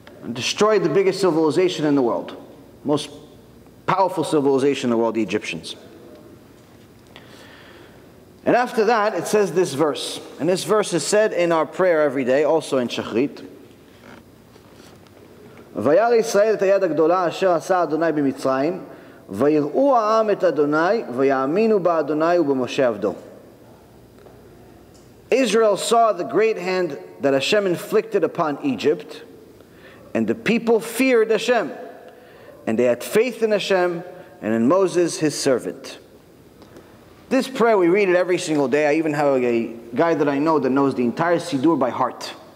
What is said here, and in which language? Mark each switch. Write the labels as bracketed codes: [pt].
[en] Destroyed the biggest civilization in the world, most powerful civilization in the world, the Egyptians. And after that, it says this verse, and this verse is said in our prayer every day, also in Shachrit. [he] וירא ישראל את היד הגדולה אשר עשה אדוני במצרים, ויראו העם את אדוני ויאמינו באדוני ובמשה עבדו. [en] Israel saw the great hand that Hashem inflicted upon Egypt, and the people feared Hashem, and they had faith in Hashem and in Moses, his servant. This prayer, we read it every single day. I even have a guy that I know that knows the entire Sidur by heart.